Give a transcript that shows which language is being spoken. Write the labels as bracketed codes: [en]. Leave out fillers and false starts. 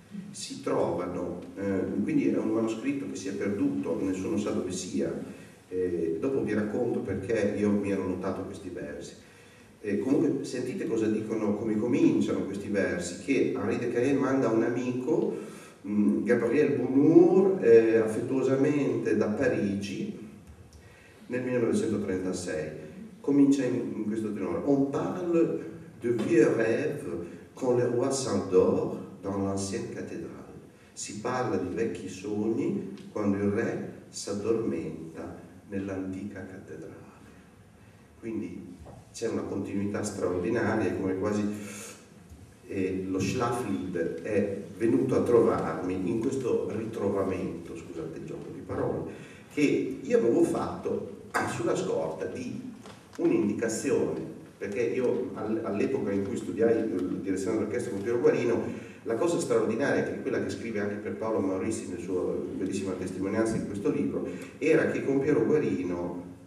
[it] si trovano, quindi è un manoscritto che si è perduto, nessuno sa dove sia, dopo vi racconto perché io mi ero notato questi versi. Comunque sentite cosa dicono, come cominciano questi versi, che Henri de Caen manda un amico, Gabriel Bonnour, affettuosamente da Parigi nel 1936. Comincia in questo tenore: [fr] on parle de vieux rêve quand le roi s'endort dans l'ancienne cathédrale. [it] Si parla di vecchi sogni quando il re s'addormenta nell'antica cattedrale. Quindi c'è una continuità straordinaria, come quasi lo Schlaflied è venuto a trovarmi in questo ritrovamento, scusate il gioco di parole, che io avevo fatto sulla scorta di un'indicazione, perché io all'epoca in cui studiai la direzione d'orchestra con Piero Guarino, la cosa straordinaria, che è quella che scrive anche per Paolo Maurizi nella sua bellissima testimonianza in questo libro, era che con Piero Guarino,